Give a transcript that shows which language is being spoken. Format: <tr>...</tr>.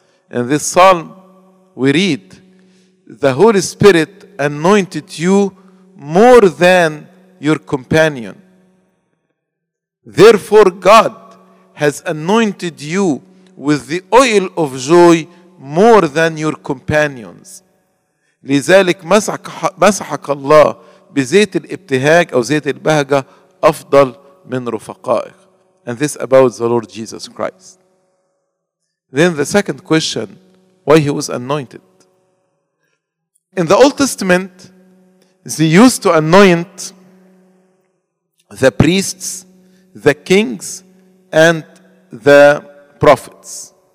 <en>In this psalm, we read, "The Holy Spirit anointed you more than your companion. Therefore, God has anointed you with the oil of joy more than your companions.</en> <ar>لذلك مسحك الله بزيت الابتهاج أو زيت البهجة أفضل من رفقائك."</ar> <en>And this about the Lord Jesus Christ. Then the second question, why he was anointed? In the Old Testament, they used to anoint the priests, the kings, and the prophets.</en>